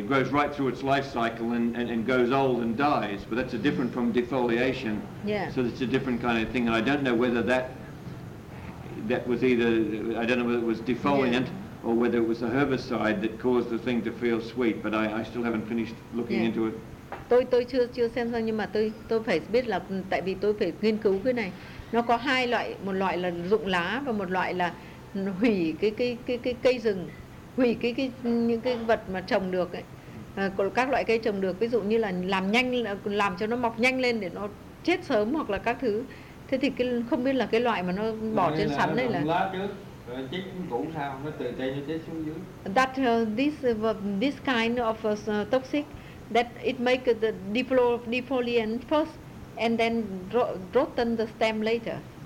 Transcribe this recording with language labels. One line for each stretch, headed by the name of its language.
English: It grows right through its life cycle and goes old and dies, but that's a different from defoliation. Yeah. So it's a different kind of thing, and I don't know whether I don't know whether it was defoliant or whether it was a herbicide that caused the thing to feel sweet, but I still haven't finished looking into it.
Vietnamese: Tôi chưa xem xong, nhưng mà tôi phải biết là tại vì tôi phải nghiên cứu cái này. Nó có hai loại, một loại là rụng lá và một loại là hủy cái cây rừng, hủy cái những cái vật mà trồng được ấy. Các loại cây trồng được, ví dụ như là làm cho nó mọc nhanh lên để nó chết sớm hoặc là các thứ. Thế thì cái, không biết là cái loại mà nó bỏ trên sắn đấy là lá trước. Rồi chết cũng cũ sao, nó từ cây nó chết xuống dưới.
English: That this kind of toxic that it make the defoliant first and then rotten the stem later.